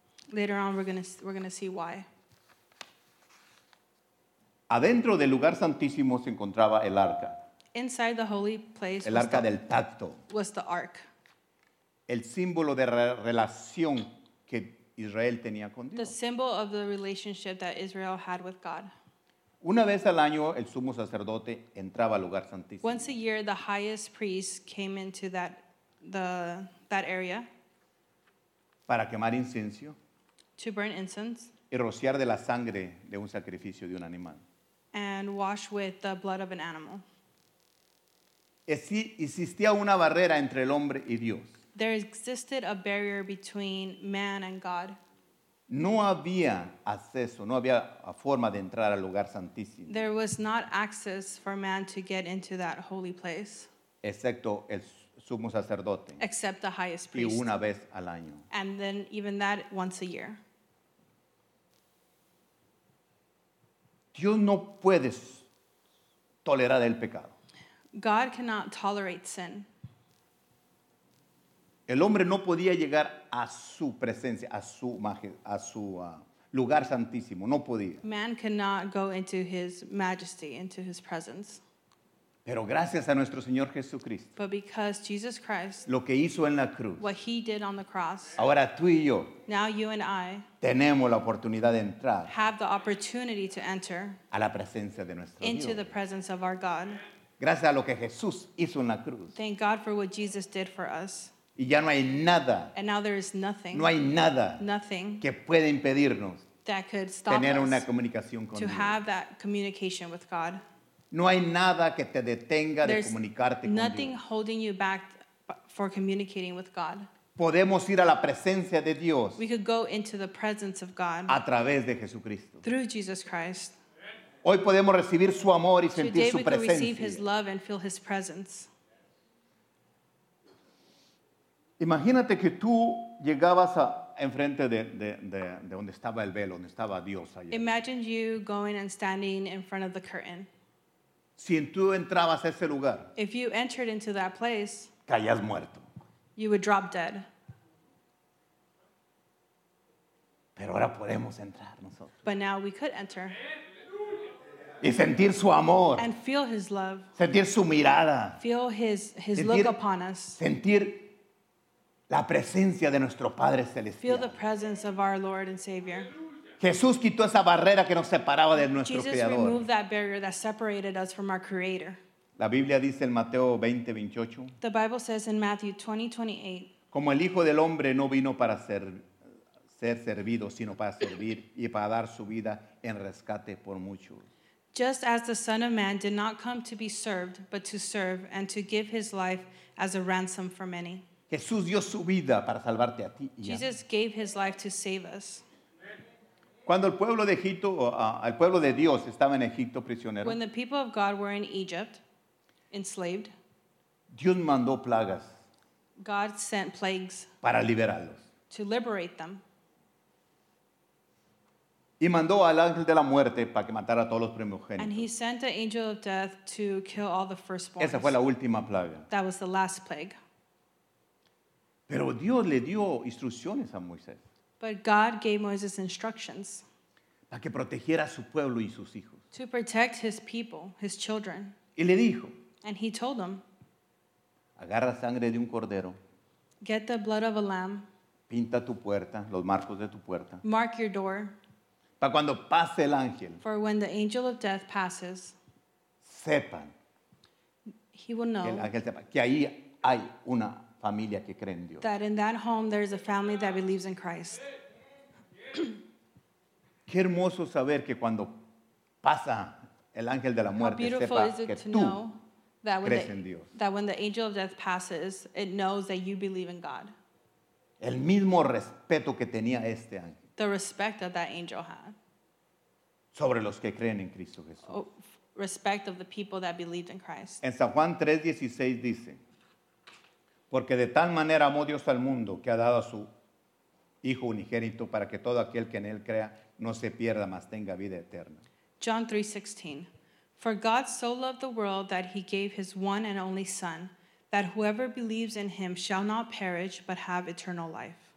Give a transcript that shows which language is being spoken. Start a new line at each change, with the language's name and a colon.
English: Later on we're gonna see why.
Spanish: Adentro del lugar santísimo se encontraba el arca.
English: Inside the holy place
Spanish: el arca del pacto.
English: Was the ark.
Spanish: El símbolo de relación que Israel tenía con Dios.
English: The symbol of the relationship that Israel had with God.
Spanish: Una vez al año el sumo sacerdote entraba al lugar santísimo.
English: Once a year the highest priest came into that area.
Spanish: Para quemar incienso.
English: To burn incense.
Spanish: Y rociar de la sangre de un sacrificio de un animal.
English: And wash with the blood of an animal.
Spanish: Existía una barrera entre el hombre y Dios.
English: There existed a barrier between man and God.
Spanish: No había acceso, no había forma de entrar al lugar santísimo.
English: There was not access for man to get into that holy place.
Spanish: Excepto el sumo sacerdote.
English: Except the highest priest.
Spanish: Y una vez al año.
English: And then even that once a year.
Spanish: Dios no puede tolerar el pecado.
English: God cannot tolerate sin.
Spanish: El hombre no podía llegar a su presencia, a su lugar santísimo. No podía.
English: Man cannot go into his majesty, into his presence.
Spanish: Pero gracias a nuestro Señor Jesucristo.
English: But because Jesus Christ.
Spanish: Lo que hizo en la cruz.
English: What he did on the cross.
Spanish: Ahora tú y yo.
English: Now you and I.
Spanish: Tenemos la oportunidad de entrar.
English: Have the opportunity to enter.
Spanish: A la presencia de nuestro
English: into
Spanish: Dios.
English: Into the presence of our God.
Spanish: Gracias a lo que Jesús hizo en la cruz.
English: Thank God for what Jesus did for us.
Spanish: Y ya no hay nada.
English: And now there is nothing.
Spanish: No hay nada.
English: Nothing.
Spanish: Que pueda impedirnos.
English: That could stop
Spanish: tener
English: us
Spanish: una comunicación con
English: to
Spanish: Dios.
English: Have that communication with God.
Spanish: No hay nada que te detenga
English: there's
Spanish: de comunicarte con Dios.
English: Nothing holding you back for communicating with God.
Spanish: Podemos ir a la presencia de Dios.
English: We could go into the presence of God.
Spanish: A través de Jesucristo.
English: Through Jesus Christ.
Spanish: Hoy podemos recibir su amor y sentir su presencia.
English: Today we can receive his love and feel his presence.
Spanish: Imagínate que tú llegabas enfrente de donde estaba el velo, donde estaba Dios allá.
English: Imagine you going and standing in front of the curtain.
Spanish: Si tú entrabas a ese lugar.
English: If you entered into that place.
Spanish: Caías muerto.
English: You would drop dead.
Spanish: Pero ahora podemos entrar nosotros.
English: But now we could enter.
Spanish: Y sentir su amor.
English: And feel his love.
Spanish: Sentir su mirada.
English: Feel his sentir, look upon us.
Spanish: Sentir la presencia de nuestro Padre Celestial.
English: Feel the presence of our Lord and Savior.
Spanish: Jesús quitó esa barrera que nos separaba de nuestro
English: Jesus
Spanish: Creador.
English: Jesus removed that barrier that separated us from our Creator.
Spanish: La Biblia dice en Mateo 20:28.
English: The Bible says in Matthew 20:28.
Spanish: Como el Hijo del Hombre no vino para ser servido, sino para servir y para dar su vida en rescate por muchos.
English: Just as the Son of Man did not come to be served, but to serve and to give his life as a ransom for many.
Spanish: Jesús dio su vida para salvarte a ti.
English: Jesus gave his life to save us.
Spanish: Cuando el pueblo de Egipto, el pueblo de Dios estaba en Egipto prisionero.
English: When the people of God were in Egypt, enslaved.
Spanish: Dios mandó plagas.
English: God sent plagues.
Spanish: Para liberarlos.
English: To liberate them.
Spanish: Y mandó al ángel de la muerte para que matara a todos los primogénitos.
English: And he sent an angel of death to kill all the firstborn.
Spanish: Esa fue la última plaga.
English: That was the last plague.
Spanish: Pero Dios le dio instrucciones a Moisés.
English: But God gave Moses instructions.
Spanish: Para que protegiera a su pueblo y sus hijos.
English: To protect his people, his children.
Spanish: Y le dijo.
English: And he told them.
Spanish: Agarra sangre de un cordero.
English: Get the blood of a lamb.
Spanish: Pinta tu puerta, los marcos de tu puerta.
English: Mark your door.
Spanish: Para cuando pase el ángel.
English: For when the angel of death passes.
Spanish: Sepan.
English: He will know.
Spanish: Que el ángel sepa que ahí hay una familia que cree en Dios.
English: That in that home there is a family that believes in Christ.
Spanish: Qué hermoso saber que cuando pasa el ángel de la muerte sepa que tú crees en Dios.
English: That when the angel of death passes, it knows that you believe in God.
Spanish: El mismo respeto que tenía este ángel.
English: The respect that that angel had.
Spanish: Sobre los que creen en Cristo Jesús.
English: Respect of the people that believed in Christ.
Spanish: En San Juan 3:16 dice, porque de tal manera amó Dios al mundo que ha dado a su Hijo unigénito para que todo aquel que en él crea no se pierda, mas tenga vida eterna.
English: John 3:16, for God so loved the world that he gave his one and only Son, that whoever believes in him shall not perish but have eternal life.